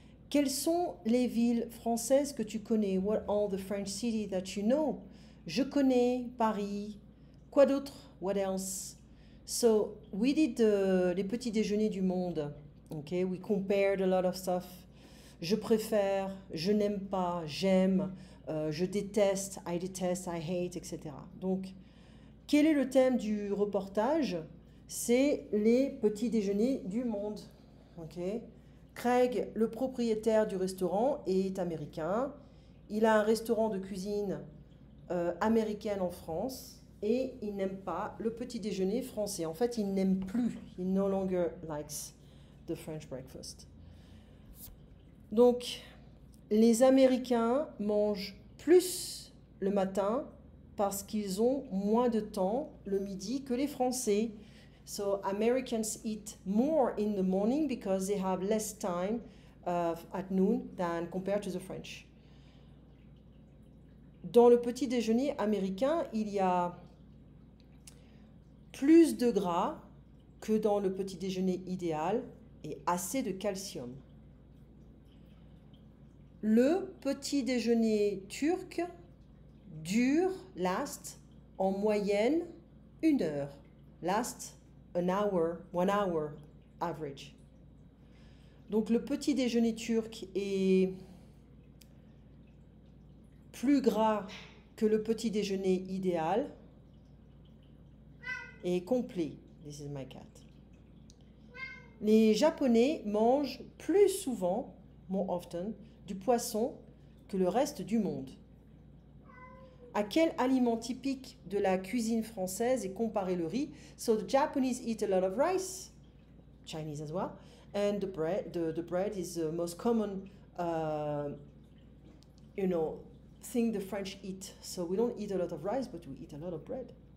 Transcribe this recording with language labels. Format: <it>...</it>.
<fr>Quelles sont les villes françaises que tu connais?</fr> <en>What are all the French cities that you know?</en> <fr>Je connais Paris. Quoi d'autre?</fr> <en>What else? So we did</en> <fr>les petits déjeuners du monde.</fr> <en>Okay, we compared a lot of stuff.</en> <fr>Je préfère, je n'aime pas, j'aime. Je déteste,</fr> <en>I detest, I hate,</en> <fr>etc. Donc, quel est le thème du reportage? C'est les petits déjeuners du monde. Ok. Craig, le propriétaire du restaurant, est américain. Il a un restaurant de cuisine américaine en France et il n'aime pas le petit déjeuner français. En fait, il n'aime plus. Il</fr> <en>no longer likes the French breakfast.</en> <fr>Donc, les Américains mangent plus le matin parce qu'ils ont moins de temps le midi que les Français.</fr> <en>So Americans eat more in the morning because they have less time at noon than compared to the French.</en> <fr>Dans le petit déjeuner américain, il y a plus de gras que dans le petit déjeuner idéal et assez de calcium. Le petit déjeuner turc dure, last, en moyenne, 1 heure.</fr> <en>Last, an hour, 1 hour, average.</en> <fr>Donc le petit déjeuner turc est plus gras que le petit déjeuner idéal et complet.</fr> <en>This is my cat.</en> <fr>Les Japonais mangent plus souvent,</fr> <en>more often,</en> <fr>du poisson que le reste du monde. À quel aliment typique de la cuisine française est comparé le riz?</fr> <en>So the Japanese eat a lot of rice, Chinese as well, and the bread is the most common, thing the French eat. So we don't eat a lot of rice, but we eat a lot of bread.</en>